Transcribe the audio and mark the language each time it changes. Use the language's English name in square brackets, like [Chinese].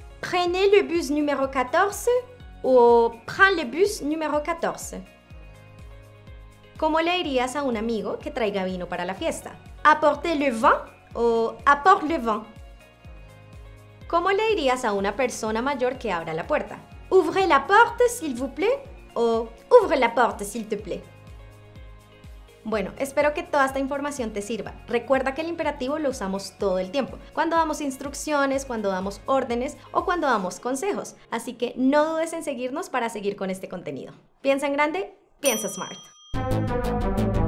[French] ¿Prenez le bus número 14? ¿O prends le bus número 14? [Spanish] ¿Cómo le dirías a un amigo que traiga vino para la fiesta? [French] ¿Apportez le vin? [Spanish] ¿O [French] apporte le vin? [Spanish] ¿Cómo le dirías a una persona mayor que abra la puerta? [French] ¿Ouvrez la porte, s'il vous plaît? ¿O ouvre la porte, s'il te plaît? [Spanish] Bueno, espero que toda esta información te sirva. Recuerda que el imperativo lo usamos todo el tiempo, cuando damos instrucciones, cuando damos órdenes o cuando damos consejos. Así que no dudes en seguirnos para seguir con este contenido. Piensa en grande, piensa smart.